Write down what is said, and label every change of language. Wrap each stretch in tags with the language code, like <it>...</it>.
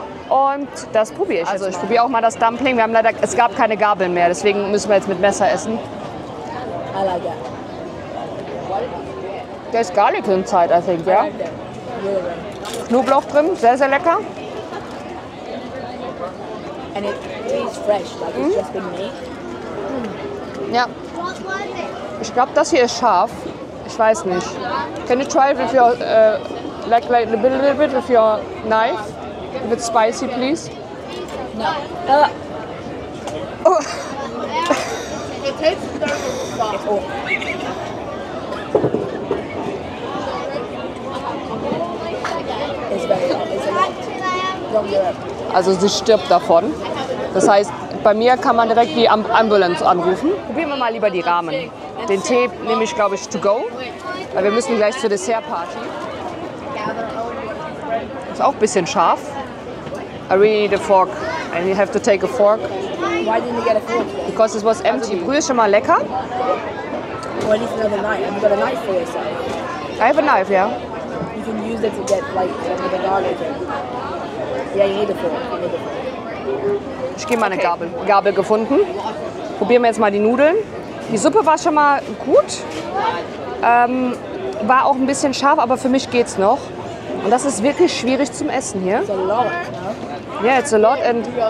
<de>Und das probiere ich. Also, ich probiere auch mal das Dumpling. Wir haben leider, es gab keine Gabeln mehr, deswegen müssen wir jetzt mit Messer essen.</de> <en>I like that.</en> <de>Der ist</de> <en>Garlic inside, I think,</en> <de>ja. Knoblauch drin, sehr, sehr lecker.</de> <en>And it tastes fresh, like it's just been made.</en> <de>Ja. Ich glaube, das hier ist scharf. Ich weiß nicht.</de> <en>Can you try it with your, like a little bit with your knife? A bit spicy, please? No. Oh. It tastes terrible. Oh.</en> <de>Also sie stirbt davon. Das heißt, bei mir kann man direkt die Ambulance anrufen. Probieren wir mal lieber die Ramen. Den Tee nehme ich, glaube ich, to go. Weil wir müssen gleich zur Dessertparty. Ist auch ein bisschen scharf.</de> <en>I really need a fork. I have to take a fork. Why didn't you get a fork? Because it was empty.</en> <de>Die Brühe ist schon mal lecker.</de> <en>Well, I need another knife. You got a knife for yourself. I have a knife, yeah. You can use it to get like the garlic.</en> <de>Ja, jede. Ich gehe mal eine Gabel gefunden. Probieren wir jetzt mal die Nudeln. Die Suppe war schon mal gut. War auch ein bisschen scharf, aber für mich geht's noch. Und das ist wirklich schwierig zum Essen hier.</de> <en>Ja, yeah, it's a lot and.</en>